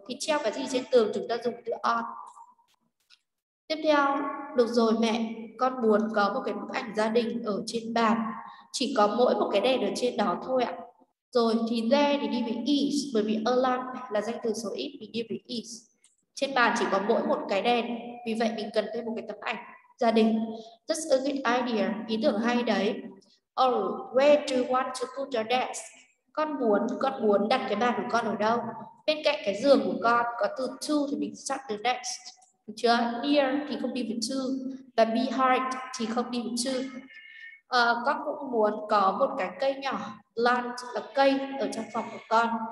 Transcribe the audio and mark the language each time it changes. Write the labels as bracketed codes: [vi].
[vi] Thì treo cái gì trên tường chúng ta dùng từ on. Tiếp theo, được rồi mẹ, con muốn có một cái bức ảnh gia đình ở trên bàn. Chỉ có mỗi một cái đèn ở trên đó thôi ạ. Rồi thì there thì đi với is, bởi vì alarm là danh từ số ít, mình đi với is. Trên bàn chỉ có mỗi một cái đèn, vì vậy mình cần thêm một cái tấm ảnh gia đình. [en] That's a good idea, [vi] ý tưởng hay đấy. [en] Or where do you want to put your desk? [vi] Con muốn đặt cái bàn của con ở đâu? Bên cạnh cái giường của con, có từ to thì mình chọn từ next. Được chưa? Near thì không đi với to và be hard thì không đi với to. Con cũng muốn có một cái cây nhỏ, plant, là cây ở trong phòng của con.